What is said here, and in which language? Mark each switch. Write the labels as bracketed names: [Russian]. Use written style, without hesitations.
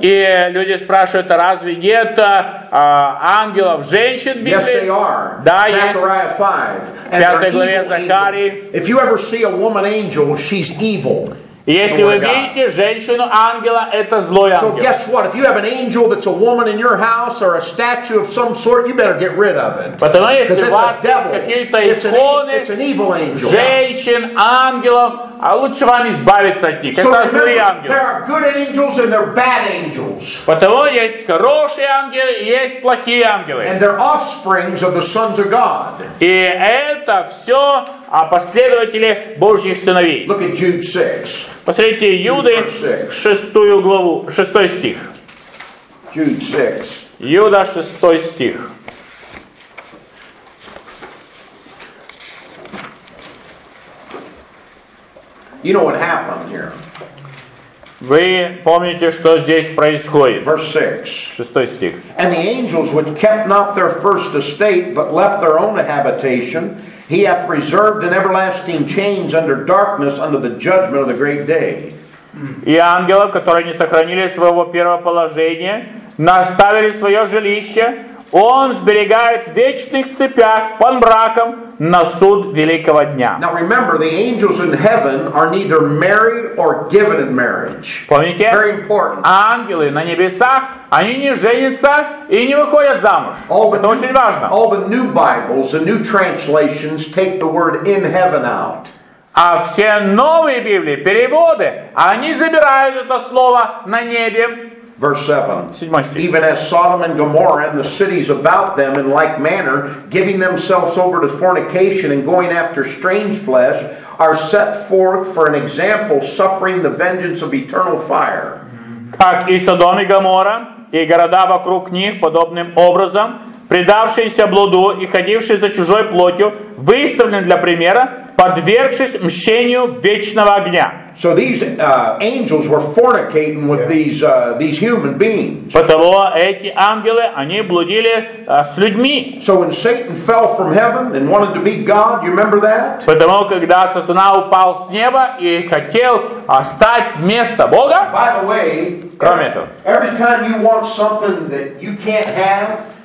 [Russian] И люди спрашивают, а разве нет ангелов женщин в Библии? [English] Yes, they are. [Russian] Да, [English] Zechariah 5. [Russian] And 5 главе Захарии. [English] If you ever see a woman angel, she's evil. [Russian] Если вы видите женщину-ангела, это злой ангел. [English] So guess what? If you have an angel that's a woman in your house or a statue of some sort, you better get rid of it. [Russian] Потому если у вас есть какие-то иконы, [English] it's an evil angel. [Russian] Женщин-ангелов, а лучше вам избавиться от них. [English] So [Russian] это злые ангелы. [English] There are good angels and there are bad angels. [Russian] Потому есть хорошие ангелы и есть плохие ангелы. [English] And they're offsprings of the sons of God. [Russian] И это все а последователи Божьих сыновей. [English] Look at Jude 6. [Russian] Посмотрите Юды, 6 главу, 6 стих. [English] Jude 6. [Russian] Юда, 6 стих. [English] You know what happened here. [Russian] Вы помните, что здесь происходит. [English] Verse 6. [Russian] 6 стих. [English] And the angels which kept not their first estate, but left their own habitation, he hath reserved an everlasting chains under darkness unto the judgment of the great day. [Russian] И ангелов, которые не сохранили своего первого положения, наставили свое жилище, он сберегает в вечных цепях под мраком на суд великого дня. [English] Now remember, the angels in heaven are neither married or given in marriage. [Russian] Помните? [English] Very important. [Russian] Ангелы на небесах, они не женятся и не выходят замуж. Это очень важно. [English] All the new Bibles, the new translations take the word in heaven out. [Russian] А все новые Библии, переводы, они забирают это слово на небе. [English] Verse 7. Even as Sodom and Gomorrah and the cities about them in like manner, giving themselves over to fornication and going after strange flesh, are set forth for an example, suffering the vengeance of eternal fire. [Russian] Как и Содом и Гоморра, и города вокруг них подобным образом, предавшиеся блуду и ходившие за чужой плотью, выставлены для примера, подвергшись мщению вечного огня. [English] So these angels were fornicating with these human beings. [Russian] Потому эти ангелы, они блудили с людьми. [English] So when Satan fell from heaven and wanted to be God, you remember that? [Russian] Потому когда сатана упал с неба и хотел стать вместо Бога. [English] By the way, [Russian] кроме этого, [English] every time you want something that you can't have,